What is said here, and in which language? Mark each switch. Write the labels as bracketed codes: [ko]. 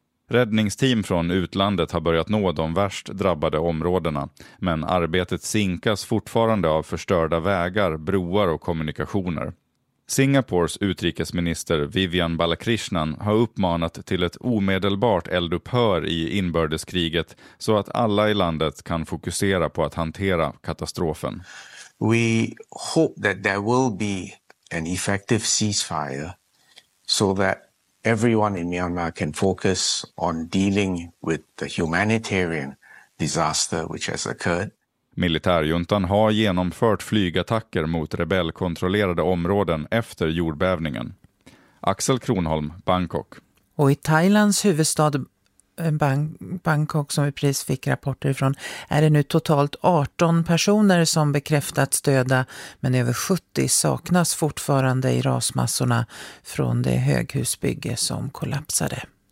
[sv] Räddningsteam från utlandet har börjat nå de värst drabbade områdena, men arbetet sinkas fortfarande av förstörda vägar, broar och kommunikationer. Singapores utrikesminister Vivian Balakrishnan har uppmanat till ett omedelbart eldupphör i inbördeskriget så att alla i landet kan fokusera på att hantera katastrofen. [en] We hope that there will be an effective ceasefire so that everyone in Myanmar can focus on dealing with the humanitarian disaster which has occurred. [sv] Militärjuntan har genomfört flygattacker mot rebellkontrollerade områden efter jordbävningen. Axel Kronholm, Bangkok. Och i Thailands huvudstad Bangkok, som vi precis fick rapporter ifrån, är det nu totalt 18 personer som bekräftats döda, men över 70 saknas fortfarande i rasmassorna från det höghusbygge som kollapsade.